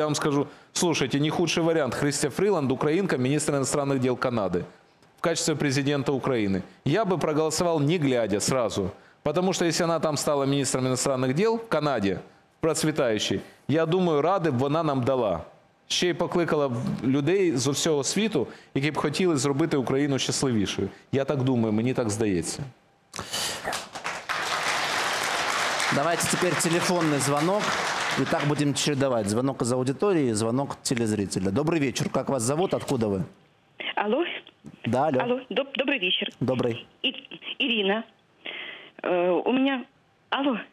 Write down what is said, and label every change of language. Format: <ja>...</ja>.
<ru>Я вам скажу, слушайте, не худший вариант. Христя Фриланд, украинка, министр иностранных дел Канады в качестве президента Украины. Я бы проголосовал не глядя сразу. Потому что если она там стала министром иностранных дел в Канаде, процветающей, я думаю, рады бы она нам дала.</ru> <uk>Ще й покликала людей з усього світу, які б хотіли зробити Україну щасливішою. Я так думаю, мені так здається.</uk> <ru>Давайте теперь телефонный звонок. И так будем чередовать. Звонок из аудитории и звонок телезрителя. Добрый вечер. Как вас зовут? Откуда вы? Алло. Да, алло. Алло. Добрый вечер. Добрый. Ирина. У меня... Алло.</ru>